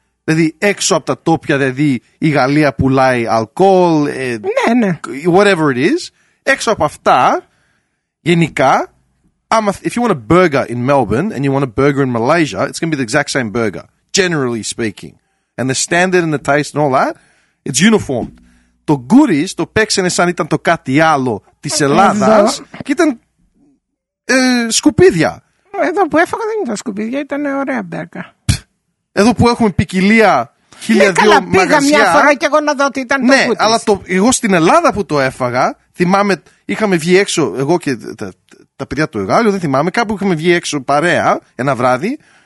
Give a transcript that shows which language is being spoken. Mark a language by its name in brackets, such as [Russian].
[Greek] Δηλαδή έξω από τα τόπια, δηλαδή η Γαλλία πουλάει αλκοόλ, whatever it is. Έξω από αυτά, γενικά, [English] if you want a burger in Melbourne and you want a burger in Malaysia, it's going to be the exact same burger, generally speaking. And the standard and the taste and all that, it's uniform. [Greek] Το γκούρις το παίξανε σαν ήταν το κάτι άλλο της Ελλάδας και ήταν σκουπίδια. Εδώ που έφαγα δεν ήταν σκουπίδια, ήταν ωραία μπέρκα. Εδώ που έχουμε ποικιλία χίλια δύο μαγαζιά. Πήγα μια φορά και εγώ να δω ότι ήταν το γκούρις. Ναι, αλλά εγώ στην Ελλάδα που το έφαγα, θυμάμαι, είχαμε βγει έξω, εγώ και τα παιδιά του Γάλλου, δεν θυμάμαι, κάπου είχαμε βγει έξω παρέα ένα βράδυ.